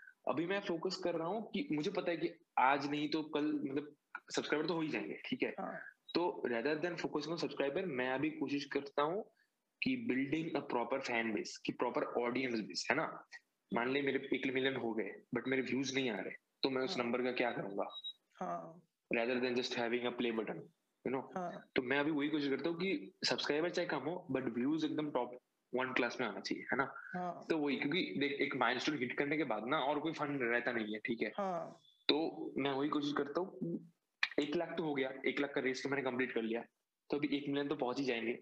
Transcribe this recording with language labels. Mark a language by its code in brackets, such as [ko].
[hi] अभी मैं फोकस कर रहा हूँ कि मुझे पता है कि आज नहीं तो कल मतलब सब्सक्राइबर तो हो ही जाएंगे. ठीक है. हाँ. तो [en] rather than focusing on subscriber, [hi] मैं अभी कोशिश करता हूँ कि [en] building a proper fan base, [hi] की प्रॉपर ऑडियंस बेस है ना. मान ली मेरे 1 मिलियन हो गए बट मेरे व्यूज नहीं आ रहे, तो मैं उस नंबर का क्या करूंगा? [en] Rather than just having a play button, you know. [hi] तो मैं अभी वही कोशिश करता हूँ कि subscriber चाहे कम हो but views एकदम top one class में आना चाहिए, है ना? तो वही, क्योंकि देख एक milestone hit करने के बाद ना और कोई fun रहता नहीं है. ठीक है. तो मैं वही कोशिश करता हूँ, 1 लाख तो हो गया, 1 लाख का race तो मैंने complete कर लिया, तो अभी 1 मिलियन तो पहुंच ही जाएंगे.